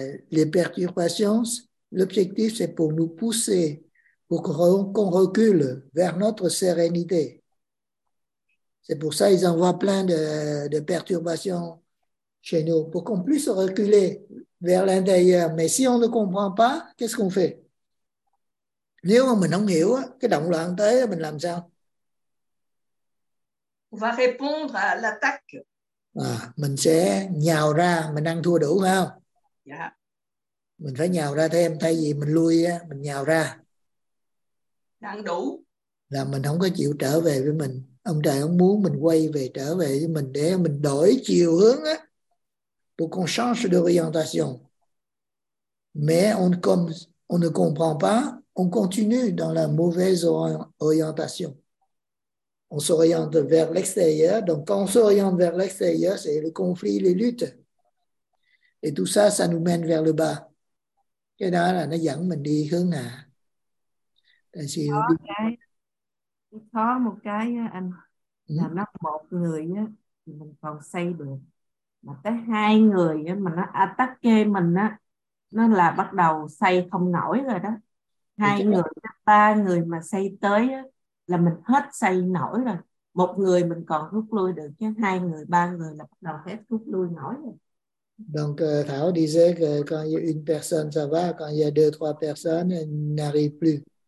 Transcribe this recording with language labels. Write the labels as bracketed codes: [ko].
[fr] Les perturbations, l'objectif c'est pour nous pousser, pour qu'on recule vers notre sérénité. C'est pour ça qu'ils envoient plein de perturbations chez nous, pour qu'on puisse reculer vers l'intérieur. Mais si on ne comprend pas, qu'est-ce qu'on fait? [vi] Nếu mà mình không hiểu, cái động loạn tới, mình làm sao? [fr] On va répondre à l'attaque. [vi] Mình sẽ nhào ra, mình ăn thua đủ không? Dạ. Mình phải nhào ra thêm, thay vì mình lui á, mình nhào ra. Ăn đủ. Là mình không có chịu trở về với mình. Ông trời không muốn mình quay về trở về với mình để mình đổi chiều hướng á. [fr] Pour qu'on change d'orientation. Mais on ne comprend pas, on continue dans la mauvaise orientation. On s'oriente vers l'extérieur. Donc, quand on s'oriente vers l'extérieur, c'est le conflit, les luttes. Et tout ça, ça nous mène vers le bas. [vi] Cái đó là nó dẫn mình đi hướng hạ. Có một cái anh, là nó một người thì mình còn xây được. Mà tới hai người mà nó attack kê mình, nó là bắt đầu xây không nổi rồi đó. Hai người, ba người mà xây tới á, là mình hết xây nổi rồi. Một người mình còn rút lui được, chứ hai người, ba người là bắt đầu hết rút lui nổi rồi. [fr] Donc Thảo disait que quand il y a une personne ça va, quand il y a deux trois personnes n'arrive plus.